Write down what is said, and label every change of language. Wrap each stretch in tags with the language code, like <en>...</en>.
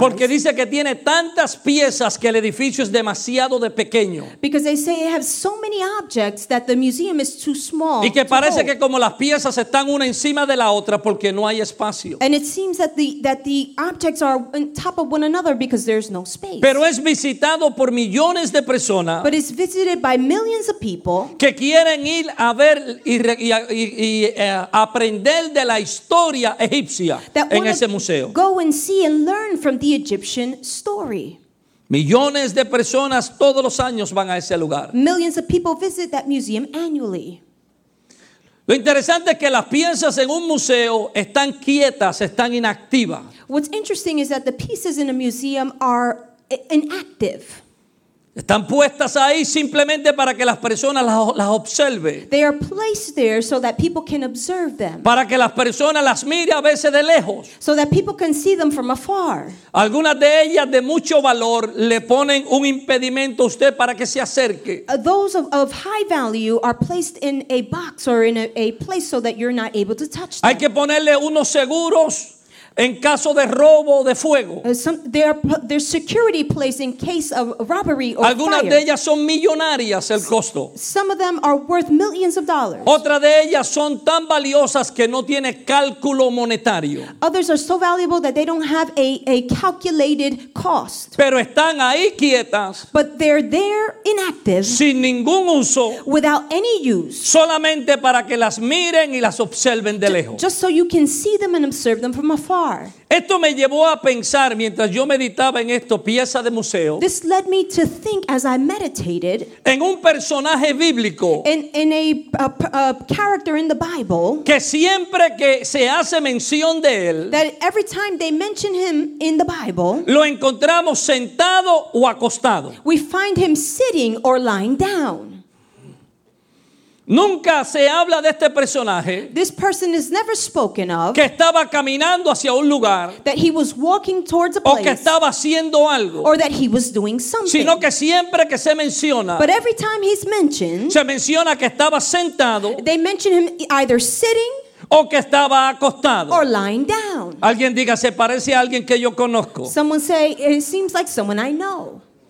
<es>Porque dice que tiene tantas piezas que el edificio es demasiado de pequeño.</es> <en>Because they say it has so many objects that the museum is too small.</en> <es>Y que parece que como las piezas están una encima de la otra porque no hay espacio.</es> <en>And it seems that the objects are on top of one another because there's no space.</en> <es>Pero es visitado por millones de personas.</es> <en>But it's visited by millions of people.</en> <es>Que quieren ir a ver y aprender de la historia egipcia en ese museo.</es> <en>Go and see and learn from the Egyptian story.</en> <es>Millones de personas todos los años van a ese lugar.</es> <en>Millions of people visit that museum annually.</en> <es>Lo interesante es que las piezas en un museo están quietas, están inactivas.</es> <en>What's interesting is that the pieces in a museum are inactive.</en> <es>Están puestas ahí simplemente para que las personas las observen.</es> <en>They are placed there so that people can observe them.</en> <es>Para que las personas las miren a veces de lejos.</es> <en>So that people can see them from afar.</en> <es>Algunas de ellas de mucho valor le ponen un impedimento a usted para que se acerque.</es> <en>Those of high value are placed in a box or in a place so that you're not able to touch them.</en> <es>Hay que ponerle unos seguros. En caso de robo o de fuego.</es> <en>There's security place in case of robbery or fire.</en> <es>Algunas de ellas son millonarias el costo.</es> <en>Some of them are worth millions of dollars.</en> <es>Otras de ellas son tan valiosas que no tiene cálculo monetario.</es> <en>Others are so valuable that they don't have a calculated cost.</en> <es>Pero están ahí quietas.</es> <en>But they're there inactive.</en> <es>Sin ningún uso.</es> <en>Without any use.</en> <es>Solamente para que las miren y las observen de lejos.</es> <en>Just so you can see them and observe them from afar.</en> <es>Esto me llevó a pensar mientras yo meditaba en esto, pieza de museo.</es> <en>This led me to think as I meditated.</en> <es>En un personaje bíblico.</es> <en>In a character in the Bible.</en> <es>Que siempre que se hace mención de él.</es> <en>That every time they mention him in the Bible.</en> <es>Lo encontramos sentado o acostado.</es> <en>We find him sitting or lying down.</en> <es>Nunca se habla de este personaje.</es> <en>This person is never spoken of.</en> <es>Que estaba caminando hacia un lugar.</es> <en>That he was walking towards a place.</en> <es>O que estaba haciendo algo.</es> <en>Or that he was doing something.</en> <es>Sino que siempre que se menciona.</es> <en>But every time he's mentioned.</en> <es>Se menciona que estaba sentado.</es> <en>They mention him either sitting.</en> <es>O que estaba acostado.</es> <en>Or lying down.</en> <es>Alguien diga, se parece a alguien que yo conozco.</es> <en>Someone say, it seems like someone I know.</en>